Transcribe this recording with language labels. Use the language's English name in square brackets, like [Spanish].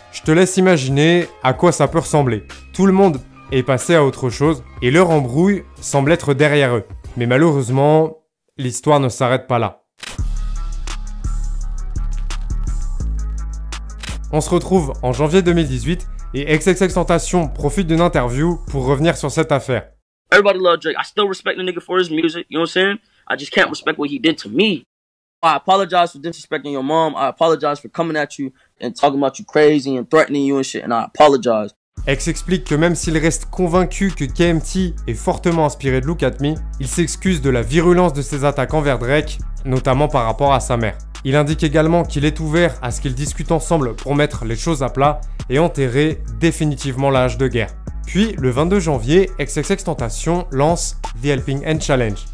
[French] Je te laisse imaginer à quoi ça peut ressembler. Tout le monde est passé à autre chose, et leur embrouille semble être derrière eux. Mais malheureusement, l'histoire ne s'arrête pas là. On se retrouve en janvier 2018, et XXXTentacion profite d'une interview pour revenir sur cette affaire. [English] Everybody love Drake. I still respect the nigga for his music, you know what I'm saying? I just can't respect what he did to me. I apologize for disrespecting your mom. I apologize for coming at you and talking about you crazy and threatening you and shit, and I apologize. [French] X explique que même s'il reste convaincu que KMT est fortement inspiré de Look At Me, il s'excuse de la virulence de ses attaques envers Drake, notamment par rapport à sa mère. Il indique également qu'il est ouvert à ce qu'ils discutent ensemble pour mettre les choses à plat et enterrer définitivement l'âge de guerre. Puis, le 22 janvier, XXXTentacion lance The Helping Hand Challenge,